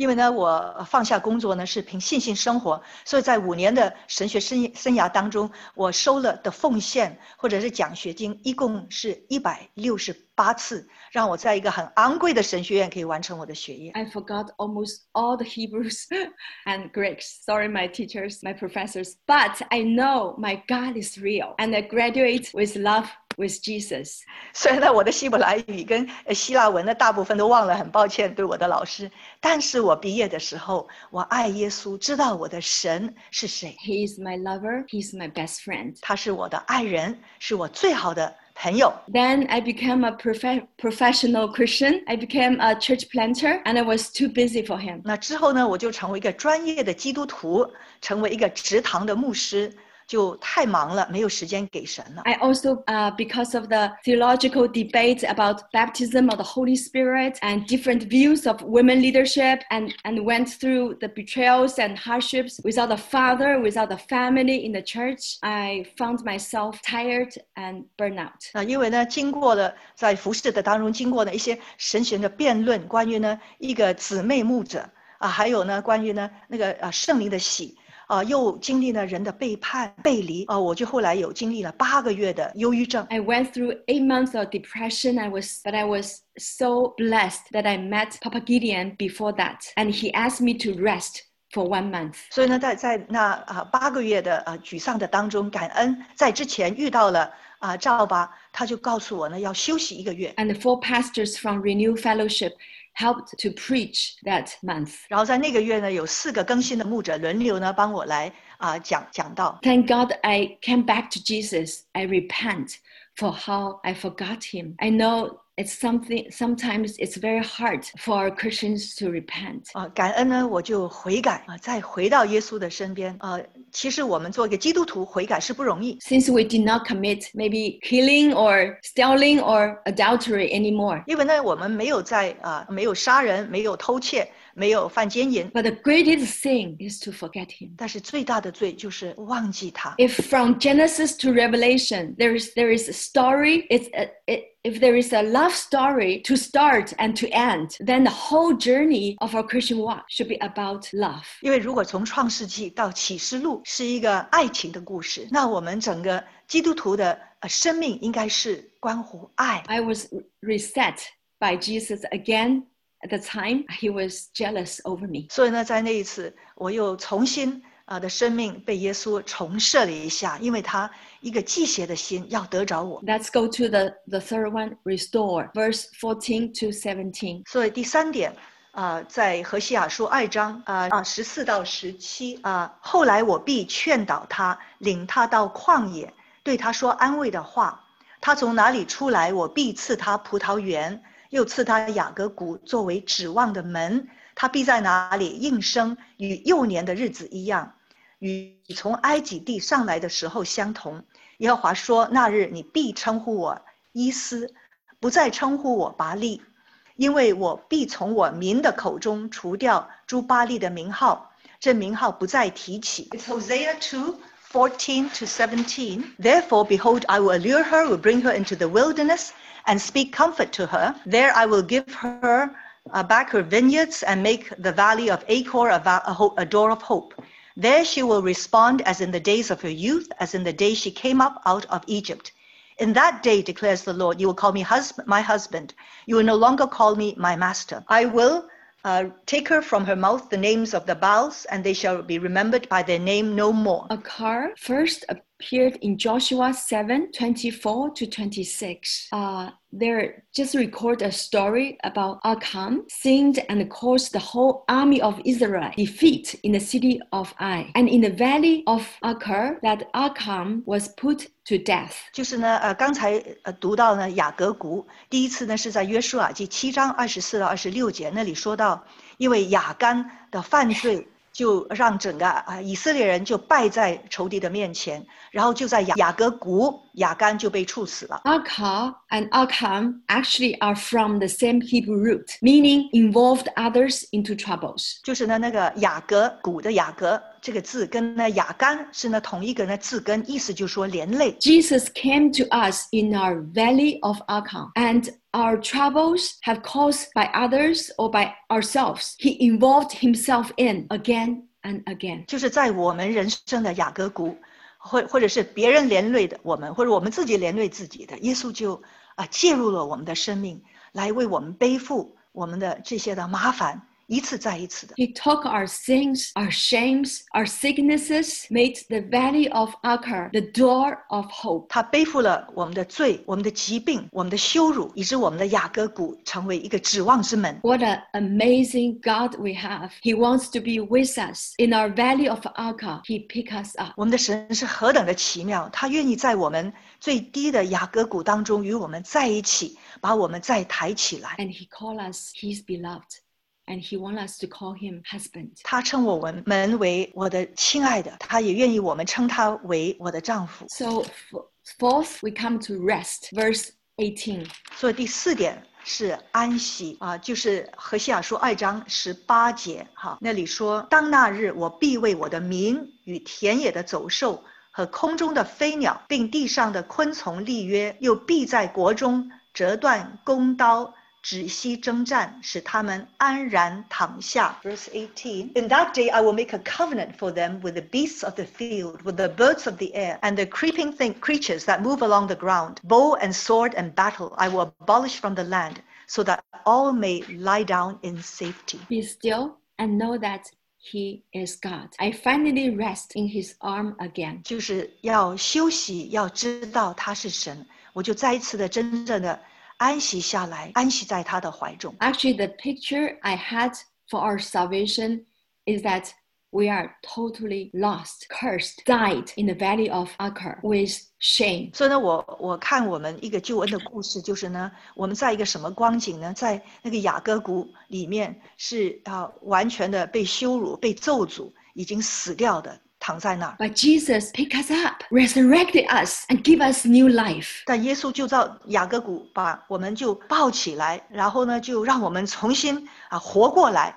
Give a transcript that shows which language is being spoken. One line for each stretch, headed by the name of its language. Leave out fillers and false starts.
Chinese: 因为呢，我放下工作呢，是凭信心生活，所以在五年的神学生涯当中，我收了的奉献或者是奖学金，一共是168次，让我在一个很昂贵的神学院可以完成我的学业。
English: I forgot almost all the Hebrews and Greeks. Sorry, my teachers, my professors. But I know my God is real, and I graduate with love with Jesus.
Chinese: 虽然呢，我的希伯来语跟希腊文的大部分都忘了，很抱歉对我的老师。但是我毕业的时候，我爱耶稣，知道我的神是谁。
English: He is my lover. He is my best friend.
Chinese: 他是我的爱人，是我最好的。朋友。
English: Then I became a professional Christian. I became a church planter, and I was too busy for him.
Chinese: 那之后呢，我就成为一个专业的基督徒，成为一个职堂的牧师，就太忙了，没有时间给神了。
English: I also, because of the theological debate about baptism of the Holy Spirit and different views of women leadership, and went through the betrayals and hardships without a father, without a family in the church, I found myself tired and burned out.
Chinese: 因为呢，经过了在服事的当中，经过了一些神学的辩论，关于呢一个姊妹牧者还有呢关于呢那个圣灵的洗。又经历了人的背叛背离我就后来有经历了8个月的忧郁症。
English: I went through 8 months of depression. I was so blessed that I met Papa Gideon before that, and he asked me to rest for 1 month.
Chinese: 所以呢在那八个月的沮丧的当中，感恩在之前遇到了赵巴，他就告诉我呢要休息一个月。
English: And the 4 pastors from Renew Fellowship helped to preach that month.
Chinese: 然后在那个月呢，有4个更新的牧者轮流呢帮我来讲道。
English: Thank God I came back to Jesus. I repent for how I forgot him. I know it's something, sometimes it's very hard for Christians to repent.
Chinese: 感恩呢，我就悔改再回到耶稣的身边其实我们做一个基督徒悔改是不容易。
English: Since we did not commit maybe killing or stealing or adultery anymore.
Chinese: 因为呢我们没有在、没有杀人没有偷窃没有犯奸淫。
English: But the greatest sin is to forget him.
Chinese: 但是最大的罪就是忘记他。
English: If from Genesis to Revelation, there is a story, if there is a love story to start and to end, then the whole journey of our Christian walk should be about love.
Chinese: 因为如果从创世纪到启示录是一个爱情的故事，那我们整个基督徒的生命应该是关乎爱。
English: I was reset by Jesus again. At the time, he was jealous over me.
Chinese: 所以呢，在那一次，我又重新的生命被耶稣重设了一下，因为他一个祭邪的心要得着我。
English: Let's go to the third one, restore, verse 14 to 17.
Chinese: 所以第三点在何西雅书二章14到17后来我必劝导他，领他到旷野，对他说安慰的话。他从哪里出来，我必赐他葡萄园。又赐他雅各谷作为指望的门，他必在哪里应生，与幼年的日子一样，与从埃及地上来的时候相同。耶和华说，那日你必称呼我伊斯，不再称呼我巴利，因为我必从我民的口中除掉诸巴利的名号，这名号不再提起。
English: It's Hosea 2:14-17. Therefore, behold, I will allure her, will bring her into the wilderness, and speak comfort to her. There I will give her back her vineyards and make the valley of Achor a door of hope. There she will respond as in the days of her youth, as in the day she came up out of Egypt. In that day, declares the Lord, you will call me my husband. You will no longer call me my master. I will take her from her mouth the names of the Baals, and they shall be remembered by their name no more. Achor first appeared in Joshua 7:24-26. There just record a story about Achan sinned and caused the whole army of Israel defeat in the city of Ai. And in the valley of Achor, that Achan was put to death.
Chinese: 就是呢，刚才读到呢雅各谷，第一次呢是在约书亚记七章24-26那里说到，因为雅干的犯罪。就让整个以色列人就败在仇敌的面前，然后就在雅各谷，雅干就被处死了。
English: Achor and Achan actually are from the same Hebrew root, meaning involved others into troubles.
Chinese: 就是呢，那个雅各谷的雅各这个字跟那雅干是那同一个那字根，意思就是说连累。
English: Jesus came to us in our valley of Achan and. Our troubles have caused by others or by ourselves. He involved himself in again and again.
Chinese: 就是在我们人生的雅各谷，或者是别人连累的我们，或者我们自己连累自己的，耶稣就介入了我们的生命，来为我们背负我们的这些的麻烦，一次再一次的。
English: He took our sins, our shames, our sicknesses, made the valley of Achor the door of hope.
Chinese: 他背负了我们的罪、我们的疾病、我们的羞辱，以致我们的雅各谷成为一个指望之门。
English: What an amazing God we have! He wants to be with us in our valley of Achor. He pick us up.
Chinese: 我们的神是何等的奇妙！他愿意在我们最低的雅各谷当中与我们在一起，把我们再抬起来。
English: And He call us His beloved. And he wants us to call him husband.
Chinese: 他称我们为我的亲爱的，他也愿意我们称他为我的丈夫。
English: So fourth, we come to rest, verse 18.
Chinese: 所以第四点是安息就是何西雅书二章十八节那里说，当那日我必为我的民与田野的走兽和空中的飞鸟，并地上的昆虫立约，又必在国中折断弓刀。止息征战，使他们安然躺下。
English: Verse 18. In that day, I will make a covenant for them with the beasts of the field, with the birds of the air, and the creeping creatures that move along the ground. Bow and sword and battle, I will abolish from the land, so that all may lie down in safety. Be still and know that He is God. I finally rest in His arm again.
Chinese: 就是要休息，要知道他是神，我就再一次的真正的。安息下来，安息在他的怀中。
English: Actually, the picture I had for our salvation is that we are totally lost, cursed, died in the valley of Achor with shame.
Chinese: 所以呢，我看我们一个救恩的故事，就是呢，我们在一个什么光景呢？在那个雅各谷里面是完全的被羞辱、被咒诅，已经死掉的。躺在那儿。
English: But Jesus pick us up, resurrected us, and give us new life.
Chinese: 但耶稣就照雅各谷把我们就抱起来，然后呢就让我们重新啊活过来。